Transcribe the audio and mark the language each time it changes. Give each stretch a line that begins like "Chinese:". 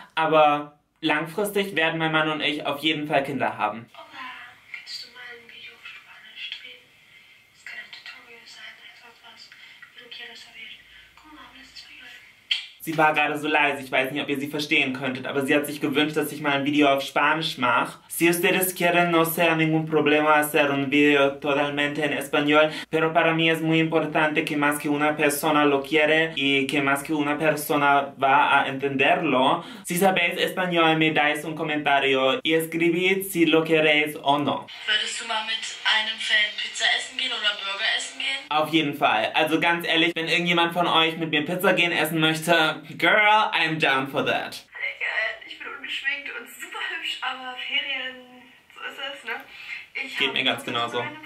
German: Aber langfristig werden mein Mann und ich auf jeden Fall Kinder haben. Sie war gerade so leise, ich weiß nicht, ob ihr sie verstehen könntet, aber sie hat sich gewünscht, dass ich mal ein Video auf Spanisch mache.
Spanish: Si ustedes quieren, no sea ningún problema hacer un video totalmente en español, pero para mí es muy importante que más que una persona lo quiere y que más que una persona va a entenderlo. Si sabéis español, me dais un comentario y escribid si lo queréis o no.
German: Würdest du mal mit einem Fan Pizza essen gehen oder Burger essen gehen? Auf jeden Fall. Also ganz ehrlich, wenn irgendjemand von euch mit mir Pizza gehen essen möchte,
English: girl, I'm down for that.
German: Geschminkt und super hübsch, aber Ferien, so ist es, ne? Ich Geht mir ganz genauso.